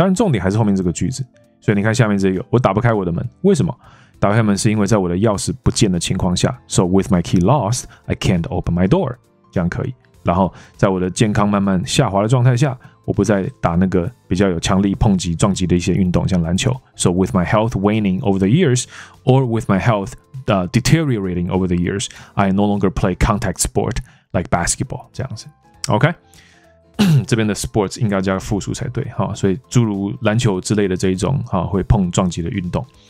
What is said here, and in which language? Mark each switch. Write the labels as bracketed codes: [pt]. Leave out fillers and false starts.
[zh] 当然，重点还是后面这个句子。所以你看下面这个，我打不开我的门，为什么？打开门是因为在我的钥匙不见的情况下 ， [en] so with my key lost, I can't open my door。 [zh] 这样可以。然后在我的健康慢慢下滑的状态下，我不再打那个比较有强力碰击撞击的一些运动，像篮球。 [en] So with my health waning over the years, or with my health deteriorating over the years, I no longer play contact sport like basketball。 [zh] 这样子 ，OK 。这边的 sports 应该加个复数才对哈，所以诸如篮球之类的这一种哈会碰撞击的运动。